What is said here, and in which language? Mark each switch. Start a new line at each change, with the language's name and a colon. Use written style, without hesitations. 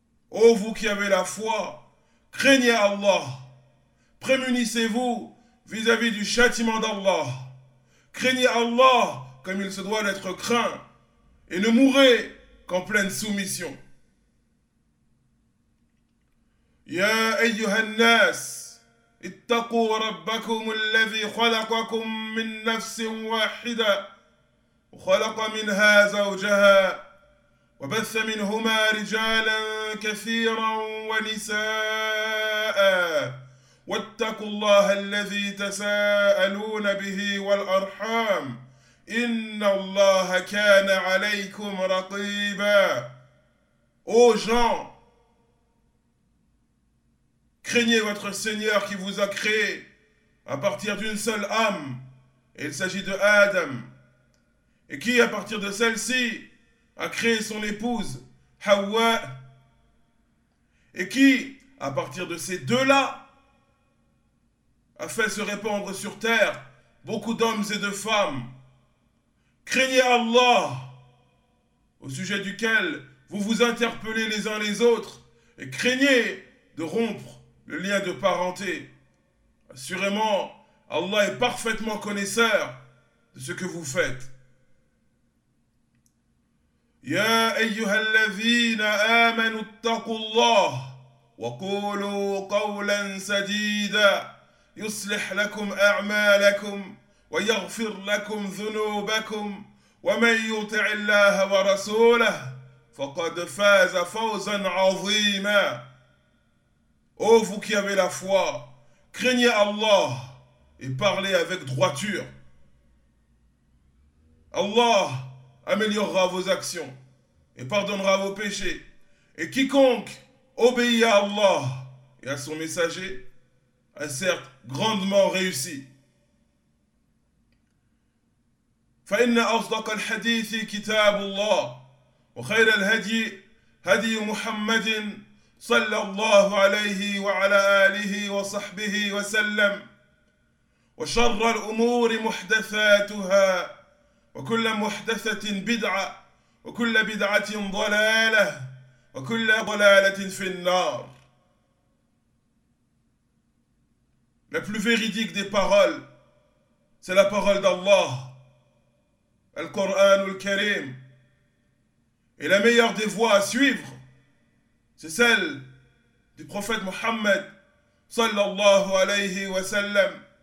French: Ô vous qui avez la foi, craignez Allah, prémunissez-vous vis-à-vis du châtiment d'Allah, craignez Allah comme il se doit d'être craint, et ne mourrez qu'en pleine soumission.
Arabic: Ya ayyuha an-nas ittaqu rabbakum alladhi khalaqakum min nafsin wahida wa khalaqa minha zawjaha وبث منهما رجالا كثيرا ونساء واتقوا الله الذي تساءلون به والأرحام إن الله كان عليكم رقيبا.
French: Ô gens, craignez votre Seigneur qui vous a créé à partir d'une seule âme, il s'agit de Adam, et qui à partir de celle-ci a créé son épouse, Hawa, et qui, à partir de ces deux-là, a fait se répandre sur terre beaucoup d'hommes et de femmes. Craignez Allah, au sujet duquel vous vous interpellez les uns les autres, et craignez de rompre le lien de parenté. Assurément, Allah est parfaitement connaisseur de ce que vous faites.
Arabic: يا ايها الذين امنوا اتقوا الله وقولوا قولا سديدا يصلح لكم اعمالكم ويغفر لكم ذنوبكم ومن يطع الله ورسوله فقد فاز فوزا عظيما.
French: Ô vous qui avez la foi, craignez Allah et parlez avec droiture. Allah améliorera vos actions et pardonnera vos péchés. Et quiconque obéit à Allah et à son messager a certes grandement réussi.
Arabic: فإن أصدق الحديث كتاب الله وخير الهدي هدي محمد صلى الله عليه وعلى آله وصحبه وسلم وشر الأمور محدثاتها وكل محدثة بدعة وكل بدعة ضلالة وكل ضلالة في النار.
French: La plus véridique des paroles, c'est la parole d'Allah. Al-Qur'an al-Karim. Et la meilleure des voies à suivre, c'est celle du prophète Mohammed
Arabic: sallallahu alayhi wa sallam.